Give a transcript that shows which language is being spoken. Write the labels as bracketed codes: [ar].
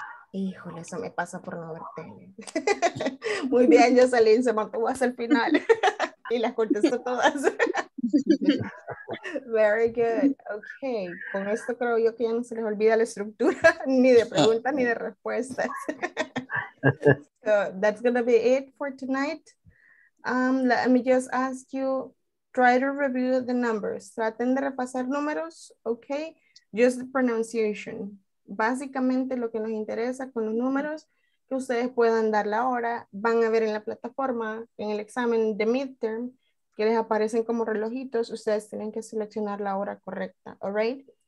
[es] Híjole, eso me pasa por no verte. Muy bien, Jocelyn, se mantuvo hasta el final. Y las contestó todas. [en] Very good. [es] Okay. Con esto creo yo que ya no se les olvida la estructura ni de preguntas ni de respuestas. [en] So that's gonna be it for tonight. Let me just ask you, try to review the numbers. [es] Traten de repasar números, okay? [en] Just the pronunciation. [es] Básicamente lo que nos interesa con los números, que ustedes puedan dar la hora, van a ver en la plataforma, en el examen de midterm, que les aparecen como relojitos, ustedes tienen que seleccionar la hora correcta, [en] all right?